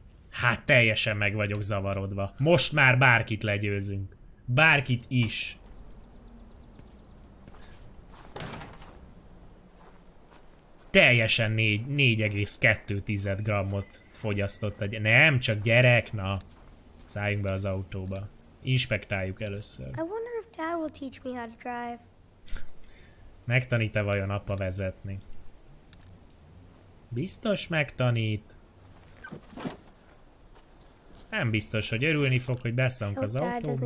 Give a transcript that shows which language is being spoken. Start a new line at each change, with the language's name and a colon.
Hungarian: Hát teljesen meg vagyok zavarodva. Most már bárkit legyőzünk. Bárkit is. Teljesen 4,2 grammot fogyasztott. Nem, csak gyerek, na! Szálljunk be az autóba. Inspektáljuk először.
English: I wonder if Dad will teach me how to drive.
Hungarian: Megtanít-e vajon apa vezetni? Biztos megtanít. Nem biztos, hogy örülni fog, hogy beszállunk az autóba.